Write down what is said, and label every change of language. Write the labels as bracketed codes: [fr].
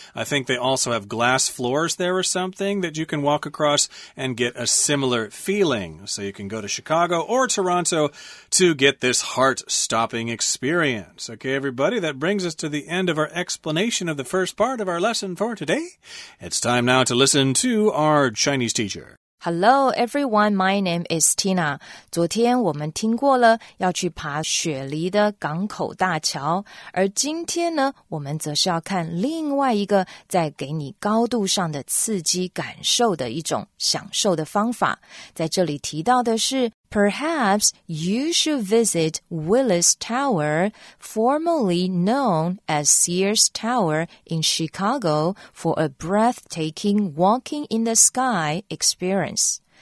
[en] I think they also have glass floors there or something that you can walk across and get a similar feeling. So you can go to Chicago or Toronto to get this heart-stopping experience. Okay, everybody, that brings us to the end of our explanation of the first part of our lesson for today. It's time now to listen to our Chinese teacher. Hello, everyone. My name is Tina. [zh] 昨天我们听过了要去爬雪梨的港口大桥，而今天呢，我们则是要看另外一个在给你高度上的刺激感受的一种享受的方法。在这里提到的是 [en] Perhaps you should visit Willis Tower, formerly known as Sears Tower in Chicago, for a breathtaking walking in the sky experience.